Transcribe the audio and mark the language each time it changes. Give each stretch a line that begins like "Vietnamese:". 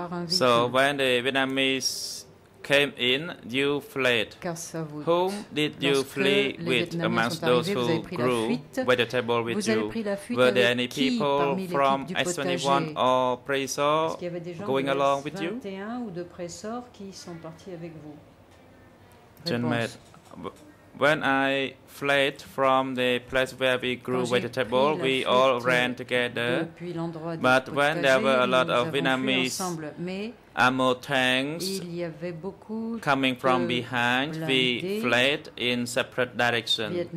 English: So when the Vietnamese came in, you fled. Casavut. Whom did you
French: lorsque
English: flee with amongst those who grew vegetables with you? Were there any people from S21 or Pre-Saw going along with you?
French: Ou de Pre-Saw qui sont partis avec vous?
English: When I fled from the place where we grew vegetables, we all ran together. But when there were a lot of Vietnamese ammo tanks coming from behind, we fled in separate directions.